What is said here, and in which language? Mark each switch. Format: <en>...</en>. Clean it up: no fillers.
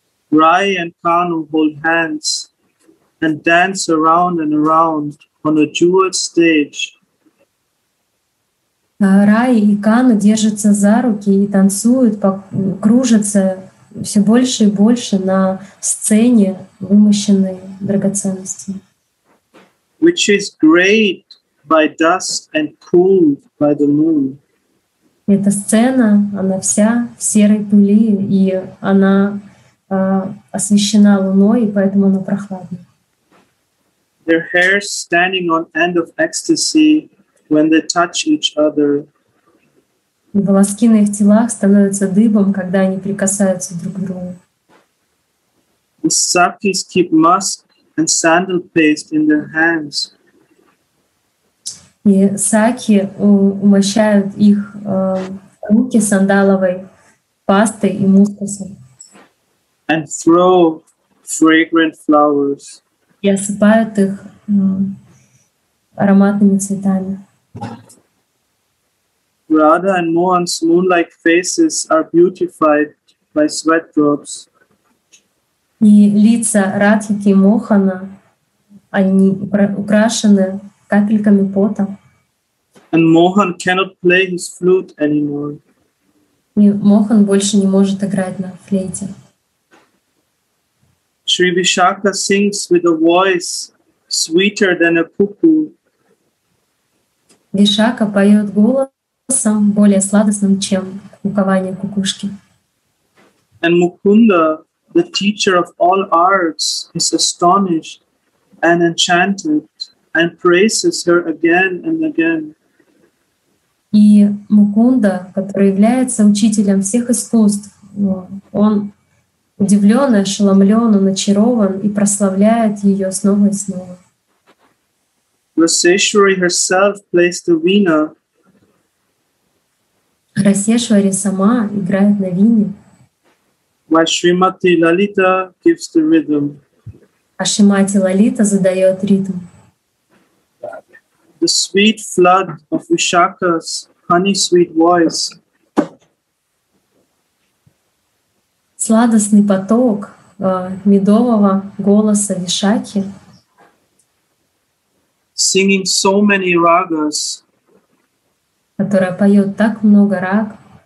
<en>Rai and Kanu hold hands and dance around and around on a jeweled stage.</en> <ru>Рай и Кану держатся за руки и танцуют, кружатся все больше и больше на сцене, вымощенной драгоценностями.</ru> <en>Which is great by dust and cooled by the moon.</en> <ru>Эта сцена, она вся в серой пыли, и она освещена луной, и поэтому она прохладна.</ru> <en>Their hair standing on end of ecstasy when they touch each other.</en> <ru>Волоски на их телах становятся дыбом, когда они прикасаются друг к другу.</ru> <en>The sakis keep musk and sandal paste in their hands.</en> <ru>И саки умощают их руки сандаловой пастой и мускусом.</ru> <en>And throw fragrant flowers.</en> <ru>И осыпают их ароматными цветами.</ru> <en>Radha and Mohan's moon-like faces are beautified by sweat drops.</en> <ru>И лица Радхики и Мохана, они украшены капельками пота.</ru> <en>And Mohan cannot play his flute anymore.</en> <ru>И Мохан больше не может играть на флейте.</ru> <en>Shri Vishakha sings with a voice sweeter than a cuckoo.</en> <ru>Вишака поет голосом более сладостным, чем кукование кукушки.</ru> <en>And Mukunda, the teacher of all arts, is astonished and enchanted and praises her again and again.</en> <ru>И Мукунда, который является учителем всех искусств, он удивлен, ошеломлен, он очарован и прославляет ее снова и снова.</ru> <en>Rasheshwari herself plays the veena.</en> <ru>Rasheshwari сама играет на вине.</ru> <en>While Shrimati Lalita gives the rhythm.</en> <ru>А Шримати Лалита задает ритм.</ru> <en>The sweet flood of Vishakha's honey sweet voice.</en> <ru>Сладостный поток медового голоса Вишакхи.</ru> <en>Singing so many ragas.</en> <ru>Которая поет так много раг.</ru>